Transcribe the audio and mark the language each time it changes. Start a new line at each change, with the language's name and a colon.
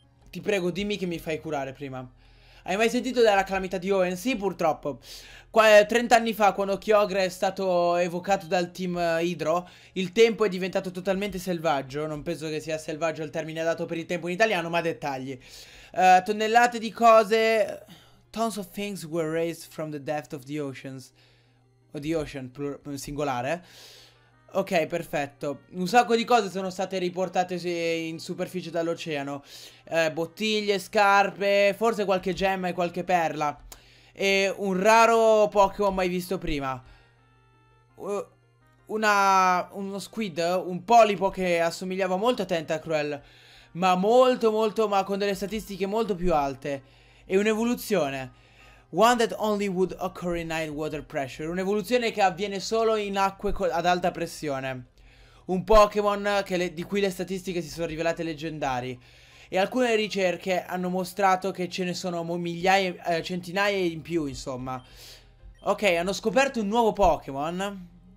Italian: Ti prego, dimmi che mi fai curare prima. Hai mai sentito della calamità di Owen? Sì, purtroppo. 30 anni fa, quando Kyogre è stato evocato dal team Hydro, il tempo è diventato totalmente selvaggio. Non penso che sia selvaggio il termine adatto per il tempo in italiano, ma dettagli. Tonnellate di cose...
English: Tons of things were raised from the depth of the oceans.
Italian: O
English: the ocean,
Italian: singolare. Ok, perfetto. Un sacco di cose sono state riportate in superficie dall'oceano. Bottiglie, scarpe, forse qualche gemma e qualche perla. E un raro Pokémon mai visto prima. Uno squid, un polipo che assomigliava molto a Tentacruel. Ma molto, molto, ma con delle statistiche molto più alte. E un'evoluzione.
English: One that only would occur in high water pressure.
Italian: Un'evoluzione che avviene solo in acque ad alta pressione. Un Pokémon di cui le statistiche si sono rivelate leggendari. E alcune ricerche hanno mostrato che ce ne sono centinaia in più, insomma. Ok, hanno scoperto un nuovo Pokémon.